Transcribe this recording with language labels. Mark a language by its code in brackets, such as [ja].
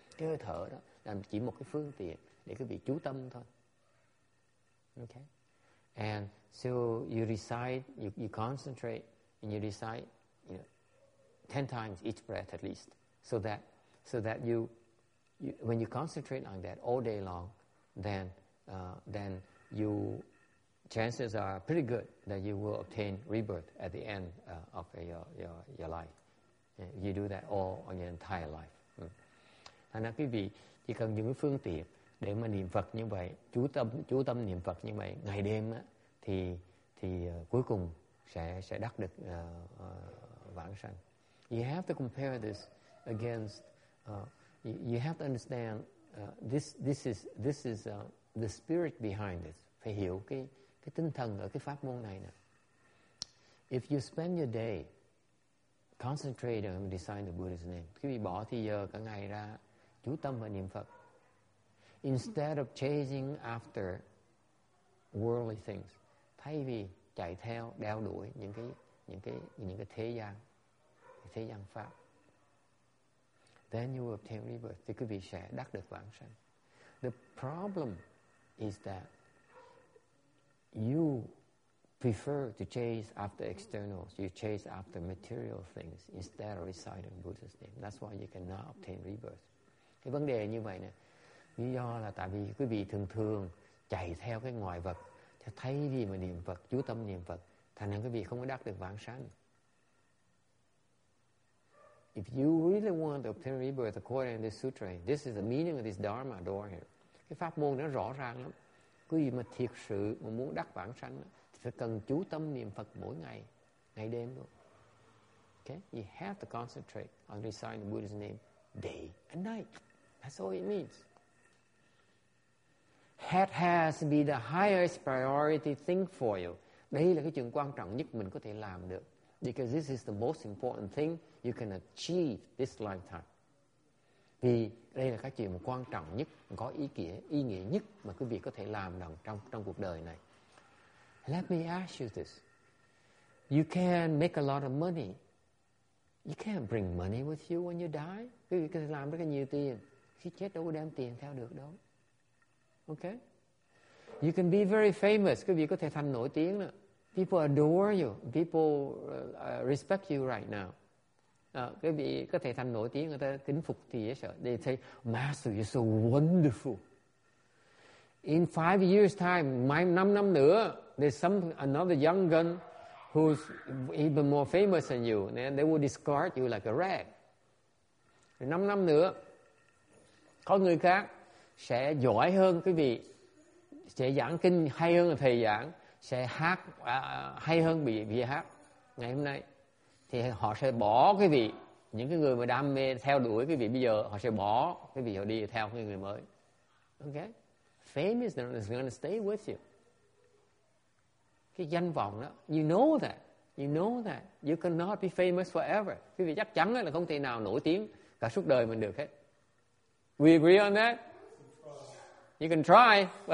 [vi] Cái hơi thở đó là chỉ một cái phương tiện để quý vị chú tâm thôi. [en] Okay? And so you recite, you concentrate, and you recite, you know, 10 times each breath at least. So that you when you concentrate on that all day long, then you, chances are pretty good that you will obtain rebirth at the end of your life. You do that all on your entire life. [vi] Thành ra quý vị chỉ cần những phương tiện để mà niệm Phật như vậy, chú tâm niệm Phật như vậy ngày đêm á, thì cuối cùng sẽ đắc được vãng sanh. [en] You have to compare this against you have to understand this is the spirit behind it. [vi] Phải hiểu cái tinh thần ở cái pháp môn này nè. [en] If you spend your day concentrating on reciting the Buddha's name, [vi] quý vị bỏ thì giờ cả ngày ra chú tâm và niệm Phật, [en] instead of chasing after worldly things, [vi] thay vì chạy theo đeo đuổi những cái thế gian pháp, [en] then you will obtain rebirth, [vi] thì quý vị sẽ đắc được vãng sanh. [en] The problem is that you prefer to chase after externals, you chase after material things instead of reciting Buddha's name. That's why you cannot obtain rebirth. [vi] Cái vấn đề như vậy nè, lý do là tại vì quý vị thường thường chạy theo cái ngoại vật, thay vì mà niệm Phật, chú tâm niệm Phật, thành ra quý vị không có đắc được vãng sanh. [en] If you really want to obtain rebirth according to this sutra, this is the meaning of this dharma door here. [vi] Cái pháp môn nó rõ ràng lắm. Quý vị mà thiệt sự mà muốn đắc vãng sanh thì phải cần chú tâm niệm Phật mỗi ngày, ngày đêm luôn. [en] Okay? You have to concentrate on reciting the Buddha's name day and night. That's all it means. That has to be the highest priority thing for you. [vi] Đây là cái chuyện quan trọng nhất mình có thể làm được. [en] Because this is the most important thing you can achieve this lifetime. [vi] Vì đây là cái chuyện quan trọng nhất, có ý nghĩa nhất mà quý vị có thể làm được trong cuộc đời này. [en] Let me ask you this. You can make a lot of money. You can't bring money with you when you die. [vi] Quý vị có thể làm rất là nhiều tiền. Khi chết đâu có đem tiền theo được đâu. Okay? [en] You can be very famous. [vi] Quý vị có thể thành nổi tiếng nữa. [en] People adore you. People respect you right now. [vi] Quý vị có thể thành nổi tiếng, người ta kính phục thì dễ sợ. [en] They say, Master, you're so wonderful. In 5 years' time, [vi] năm năm nữa, [en] there's another young gun who's even more famous than you. And they will discard you like a rag. [vi] 5 năm nữa, có người khác sẽ giỏi hơn quý vị, sẽ giảng kinh hay hơn thầy giảng, sẽ hát hay hơn bị hát ngày hôm nay, thì họ sẽ bỏ quý vị, những cái người mà đam mê theo đuổi quý vị bây giờ, họ sẽ bỏ quý vị, họ đi theo cái người mới. [en] Okay? Fame is not going to stay with you. [vi] Cái danh vọng đó, [en] you know that you cannot be famous forever. [vi] Quý vị chắc chắn là không thể nào nổi tiếng cả suốt đời mình được hết. [en] We agree on that. You can try.